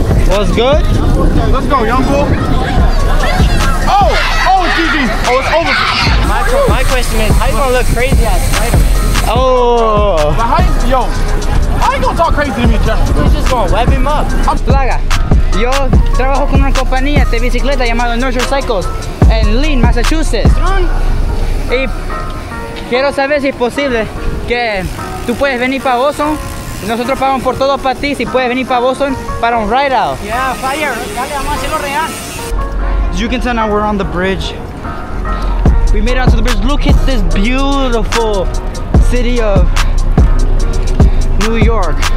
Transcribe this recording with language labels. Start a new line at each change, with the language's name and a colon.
English: What's good? Let's go, young fool. Oh, it's over. My question is, how you gonna look crazy at Spider-Man? Oh. But how you gonna talk crazy to me, Jeff? He's just gonna web him up. I'm Plaga.
Spanish: Yo, trabajo con una compañía de bicicleta llamada North Shore Cycles en Lynn, Massachusetts. Y quiero saber si es posible que tú puedes venir para Boston. Nosotros pagamos por todo para ti, si puedes venir para Boston para un ride out.
English: Yeah, fire.
Spanish: Dale, vamos a hacerlo real.
English: You can tell now we're on the bridge. We made it onto the bridge. Look at this beautiful city of New York.